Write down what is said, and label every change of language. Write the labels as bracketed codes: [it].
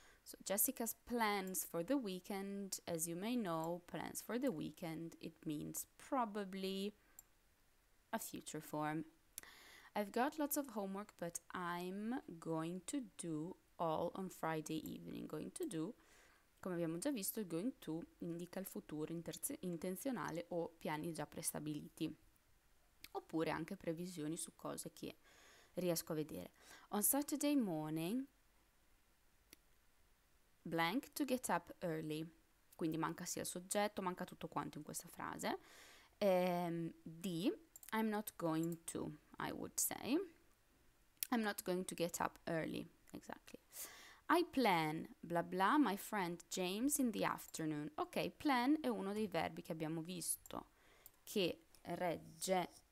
[en] So Jessica's plans for the weekend, as you may know, plans for the weekend, it means probably a future form. I've got lots of homework, but I'm going to do all on Friday evening. Going to do, [it] come abbiamo già visto, il going to indica il futuro intenzionale o piani già prestabiliti. Oppure anche previsioni su cose che riesco a vedere. [en] On Saturday morning, blank to get up early. [it] Quindi manca sia il soggetto, manca tutto quanto in questa frase. [en] D, I'm not going to, I would say. I'm not going to get up early. Exactly. I plan, bla bla, my friend James in the afternoon. [it] Ok, plan è uno dei verbi che abbiamo visto che regge.